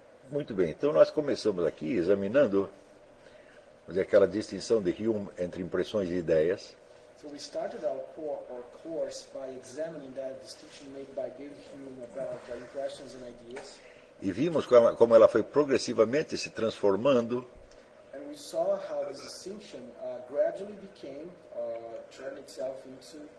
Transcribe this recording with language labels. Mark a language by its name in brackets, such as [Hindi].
[Portuguese] Muito bem, então nós começamos aqui examinando aquela distinção de Hume entre impressões e ideias. [English] So we started our course by examining that distinction made by David Hume about impressions and ideas. [Portuguese] E vimos como ela foi progressivamente se transformando. [English] We saw how this distinction gradually became turned itself into